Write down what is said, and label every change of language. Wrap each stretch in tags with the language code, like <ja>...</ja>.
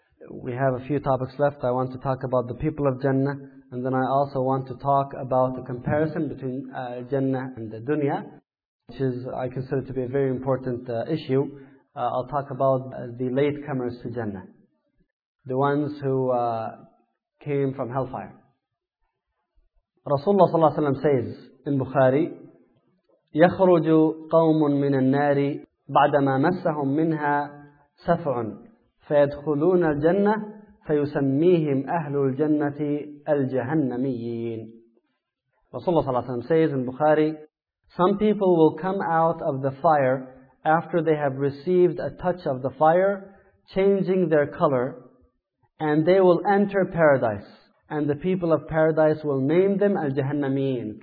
<en>We have a few topics left. I want to talk about the people of Jannah, and then I also want to talk about the comparison between Jannah and the dunya, which is I consider to be a very important issue. I'll talk about the latecomers to Jannah, the ones who came from hellfire. Rasulullah sallallahu alayhi wa sallam says in Bukhari,</en> <ar>يَخْرُجُ قَوْمٌ مِنَ النَّارِ بَعْدَمَا مَسَّهُمْ مِنْهَا سَفْعٌ فَيَدْخُلُونَ الْجَنَّةِ فَيُسَمِّيهِمْ أَهْلُ الْجَنَّةِ الْجَهَنَّمِيِّينَ.</ar> <en>Rasulullah sallallahu alayhi wa sallam says in Bukhari, some people will come out of the fire after they have received a touch of the fire, changing their color, and they will enter paradise. And the people of paradise will name them al-jahannamiyin.</en>